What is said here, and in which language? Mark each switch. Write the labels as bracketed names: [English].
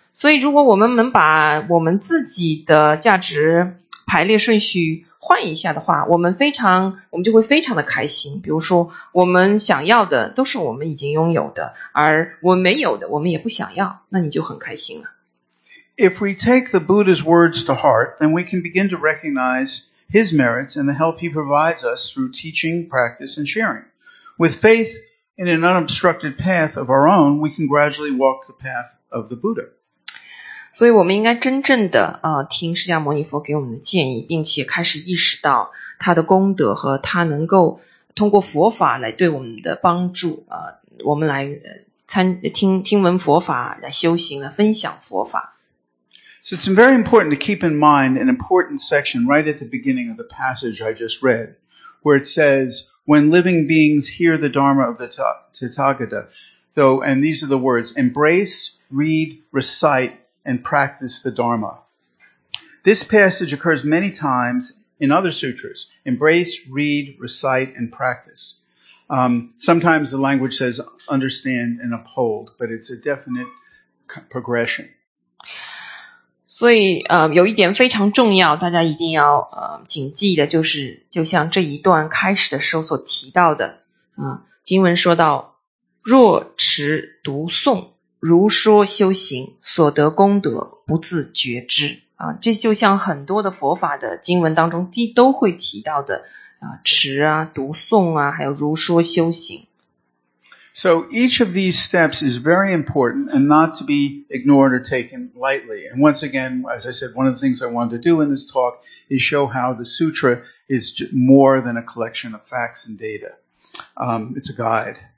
[Chinese] 所以如果我们能把我们自己的价值排列顺序换一下的话，我们就会非常的开心。比如说我们想要的都是我们已经拥有的，而我们没有的我们也不想要，那你就很开心了。 [English] If we take the Buddha's words to heart, then we can begin to recognize his merits and the help he provides us through teaching, practice, and sharing. With faith in an unobstructed path of our own, we can gradually walk the path of the Buddha. [Chinese] 所以我们应该真正的听释迦牟尼佛给我们的建议，并且开始意识到他的功德和他能够通过佛法来对我们的帮助，我们来听闻佛法，来修行，来分享佛法。 [English] So it's very important to keep in mind an important section right at the beginning of the passage I just read, where it says, when living beings hear the Dharma of the Tathagata, though, and these are the words, embrace, read, recite, and practice the Dharma. This passage occurs many times in other sutras, embrace, read, recite, and practice. Sometimes the language says understand and uphold, but it's a definite progression. [Chinese] 所以有一点非常重要，大家一定要谨记的，就是就像这一段开始的时候所提到的经文说到，若持读诵如说修行，所得功德不自觉知这就像很多的佛法的经文当中都会提到的持啊，读诵啊，还有如说修行。 [English] So each of these steps is very important and not to be ignored or taken lightly. And once again, as I said, one of the things I wanted to do in this talk is show how the sutra is more than a collection of facts and data. It's a guide.